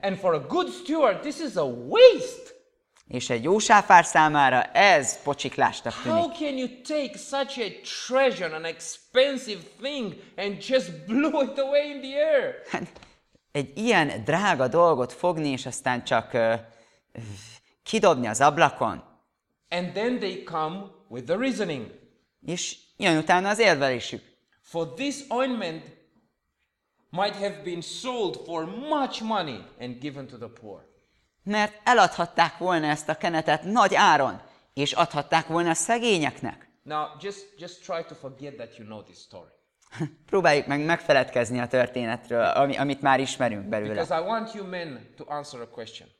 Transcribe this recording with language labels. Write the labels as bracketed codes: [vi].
[en] And for a good steward, this is a waste. [hu] És egy jó sáfár számára ez pocsiklásnak tűnik. [en] How can you take such a treasure, an expensive thing, and just blow it away in the air? [hu] Egy ilyen drága dolgot fogni, és aztán csak kidobni az ablakon. [en] And then they come with the reasoning. [hu] És jön utána az érvelésük. [en] For this ointment might have been sold for much money and given to the poor. [hu] Mert eladhatták volna ezt a kenetet nagy áron, és adhatták volna a szegényeknek. [en] Now, just try to forget that you know this story. [hu] Próbáljuk meg megfeledkezni a történetről, amit már ismerünk belőle. [en] Because I want you men to answer a question.